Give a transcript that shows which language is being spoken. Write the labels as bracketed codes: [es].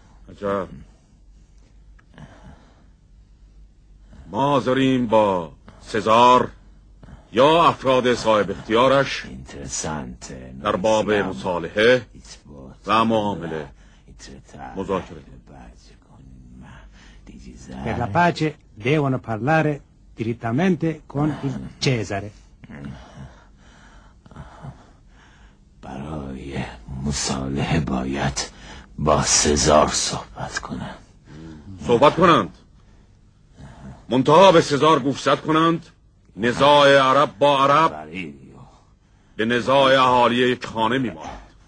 [fa] عجب، ما داریم با سزار یا افراد صاحب اختیارش در باب مصالحه و معامله مذاکره کنیم. [it] Per la pace devono parlare direttamente con il Cesare. [fa] برای مصالحه باید با سزار صحبت کنم. صحبت کنند. منتها به سزار گفتگو کنند. نزاع عرب با عرب به نزاع اهالی یک خانه می ماند.